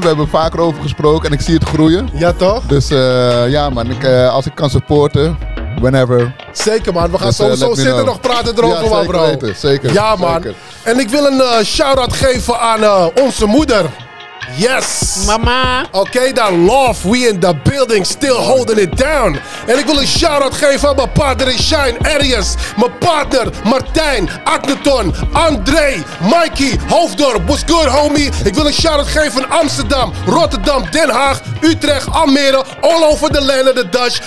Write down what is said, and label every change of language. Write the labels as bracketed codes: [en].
[nl] We hebben vaker over gesproken en ik zie het groeien. Ja, toch? Dus man, als ik kan supporten. [en] Whenever. [nl] Zeker, man. We gaan sowieso zitten nog praten erover, man, bro. Zeker. Ja, man. Zeker. En ik wil een shout-out geven aan onze moeder. [en] Yes! [nl] Mama! [en] Okay, dan love, we in the building, still holding it down. [nl] En ik wil een shout-out geven aan mijn partner in Shine, Arias. Mijn partner, Martijn, Agneton, André, Mikey, Hoofddorp, [en] what's good homie? [nl] Ik wil een shout-out geven aan Amsterdam, Rotterdam, Den Haag, Utrecht, Almere, [en] all over the land of the Dutch.